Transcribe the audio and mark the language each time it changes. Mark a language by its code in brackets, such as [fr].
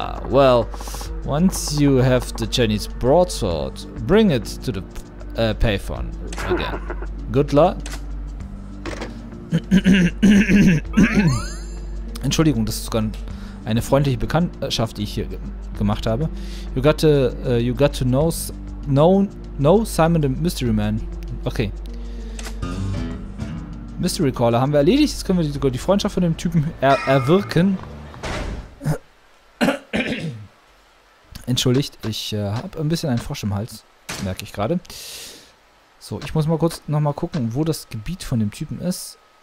[en] Well, once you have the Chinese broadsword, bring it to the payphone again. Good luck. [de] Entschuldigung, das ist sogar eine freundliche Bekanntschaft, die ich hier gemacht habe. [en] You got to know Simon the Mystery Man. Okay. [de] Mystery Caller haben wir erledigt. Jetzt können wir sogar die Freundschaft von dem Typen erwirken. Entschuldigt, ich habe ein bisschen einen Frosch im Hals, merke ich gerade. So, ich muss mal kurz nochmal gucken, wo das Gebiet von dem Typen ist.